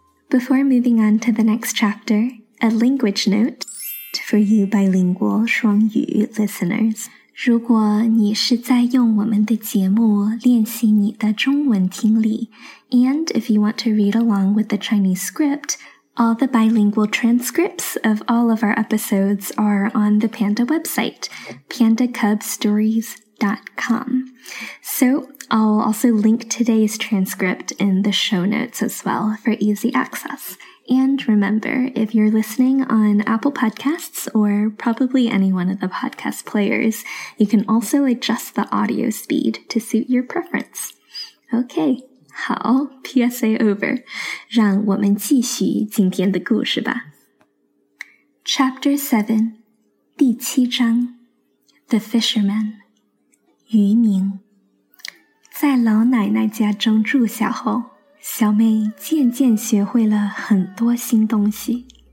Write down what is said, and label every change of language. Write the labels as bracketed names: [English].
[English] Before moving on to the next chapter, a language note for you bilingual 双语 listeners. [Chinese] 如果你是在用我们的节目练习你的中文听力 [English] and if you want to read along with the Chinese script, all the bilingual transcripts of all of our episodes are on the Panda website, pandacubstories.com. So,I'll also link today's transcript in the show notes as well for easy access. And remember, if you're listening on Apple Podcasts or probably any one of the podcast players, you can also adjust the audio speed to suit your preference. Okay, 好 PSA over. [Chinese] 让我们继续今天的故事吧。 [English] Chapter 7, [Chinese] 第七章 [English] The Fisherman, [Chinese] 渔民。在老奶奶家中住下后，小妹渐渐学会了很多新东西。